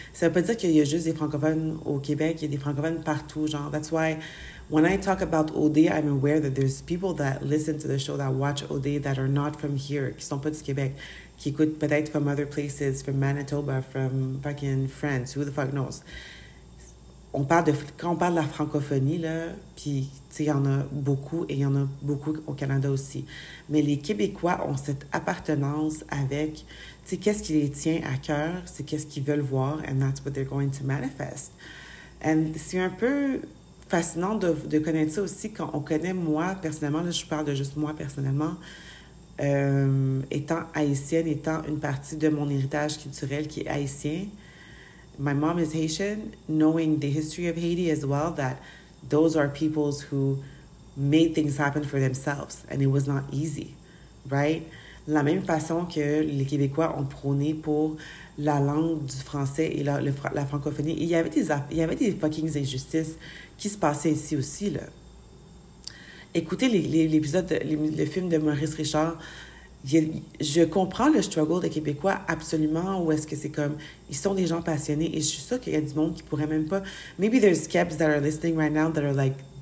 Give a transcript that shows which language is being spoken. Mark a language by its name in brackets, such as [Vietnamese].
[French] Ça veut pas dire qu'il y a juste des francophones au Québec, il y a des francophones partout, genre. [English] That's why, when I talk about OD, I'm aware that there's people that listen to the show, that watch OD, that are not from here, [French] qui sont pas du Québec, qui écoutent peut-être [English] from other places, from Manitoba, from fucking France, who the fuck knows. [French] On parle de... Quand on parle de la francophonie, là, puis, tu sais, il y en a beaucoup, et il y en a beaucoup au Canada aussi. Mais les Québécois ont cette appartenance avec... Tu sais, qu'est-ce qui les tient à cœur, c'est qu'est-ce qu'ils veulent voir, [English] and that's what they're going to manifest. [French] And c'est un peu fascinant de connaître ça aussi, quand on connaît moi personnellement, là, je parle de juste moi personnellement, étant haïtienne, étant une partie de mon héritage culturel qui est haïtien, [English] my mom is Haitian, knowing the history of Haiti as well, that those are peoples who made things happen for themselves, and it was not easy, right? [French] La même façon que les Québécois ont prôné pour la langue du français et la francophonie. Et il y avait des fucking injustices qui se passaient ici aussi, là. Écoutez l'épisode, le film de Maurice Richard. Je comprends le struggle des Québécois absolument, où est-ce que c'est comme... Ils sont des gens passionnés et je suis sûre qu'il y a du monde qui pourrait même pas... [English] Maybe there's Québécois that are listening right now that are like...